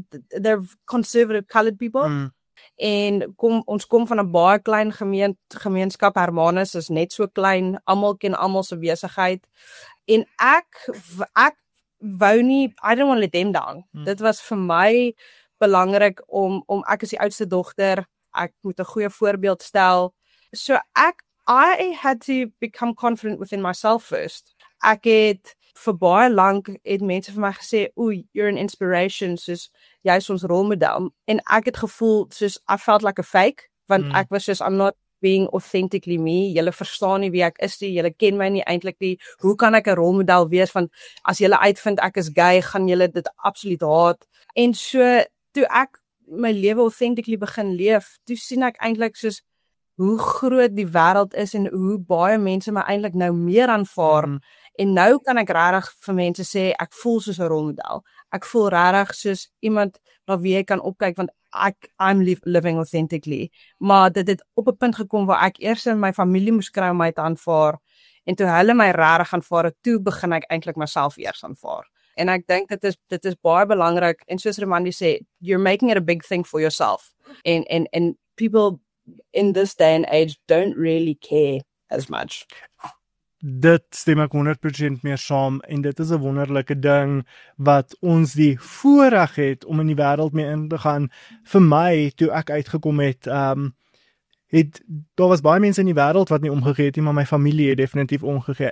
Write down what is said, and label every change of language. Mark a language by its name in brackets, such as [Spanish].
[English] they're conservative colored people, [Afrikaans] en ons kom van 'n baie klein gemeenskap, Hermanus is net so klein, almal ken almal se besigheid, en ek wou nie, [English] I don't want to let them down, [Afrikaans] dit was vir my belangrik om ek is die oudste dogter, ek moet 'n goeie voorbeeld stel, [English] so I had to become confident within myself first. [Afrikaans] Ek het vir baie lank het mense vir my gesê, [English] you're an inspiration, [Afrikaans] soos jy is ons rolmodel. En ek het gevoel, soos [English] I felt like a fake, [Afrikaans] want ek was soos, [English] I'm not being authentically me. [Afrikaans] Julle verstaan nie wie ek is nie, julle ken my nie eintlik nie. Hoe kan ek 'n rolmodel wees? Want as julle uitvind ek is gay, gaan julle dit absoluut haat. En so, toe ek my lewe authentically begin leef, toe sien ek eintlik soos, hoe groot die wêreld is en hoe baie mense my eintlik nou meer aanvaar. En nou kan ek regtig vir mense sê, ek voel soos 'n rolmodel. Ek voel regtig soos iemand na wie jy kan opkyk, want [English] I'm living authentically. [Afrikaans] Maar dit het op 'n punt gekom waar ek eers in my familie moes kry om my te aanvaar. En toe hulle my regtig aanvaar het, toe begin ek eintlik myself eers aanvaar. En ek dink dit is baie belangrik. En soos Romani sê, [English] you're making it a big thing for yourself. En people in this day and age don't really care as much. [Afrikaans] Dit stem ek 100% meer saam en dit is 'n wonderlike ding wat ons die voorreg het om in die wêreld mee in te gaan. Vir my, toe ek uitgekom het, daar was baie mense in die wêreld wat nie omgegee het nie, maar my familie het definitief omgegee.